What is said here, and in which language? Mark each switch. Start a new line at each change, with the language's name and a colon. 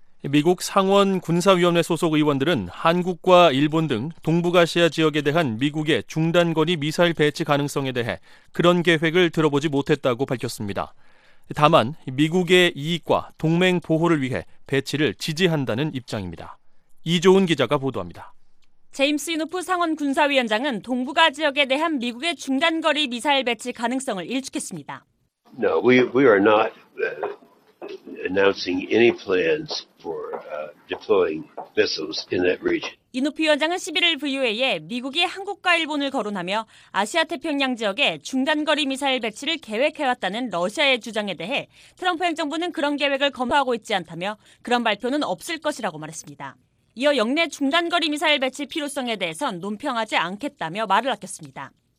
Korean: 미국 상원 군사위원회 소속 의원들은 한국과 일본 등 동북아시아 지역에 대한 미국의 중단거리 미사일 배치 가능성에 대해 그런 계획을 들어보지 못했다고 밝혔습니다. 다만 미국의 이익과 동맹 보호를 위해 배치를 지지한다는 입장입니다. 이조은 기자가 보도합니다. 제임스 이노프 상원 군사위원장은 동북아 지역에 대한 미국의 중단거리 미사일 배치 가능성을 일축했습니다.
English: No, we are not announcing any plans for deploying missiles in that region.
Korean: 이노프 위원장은 11일 VOA에 미국이 한국과 일본을 거론하며 아시아 태평양 지역에 중단거리 미사일 배치를 계획해왔다는 러시아의 주장에 대해 트럼프 행정부는 그런 계획을 검토하고 있지 않다며 그런 발표는 없을 것이라고 말했습니다. 이어 영내 중단거리 미사일 배치 필요성에 대해선 논평하지 않겠다며 말을 아꼈습니다.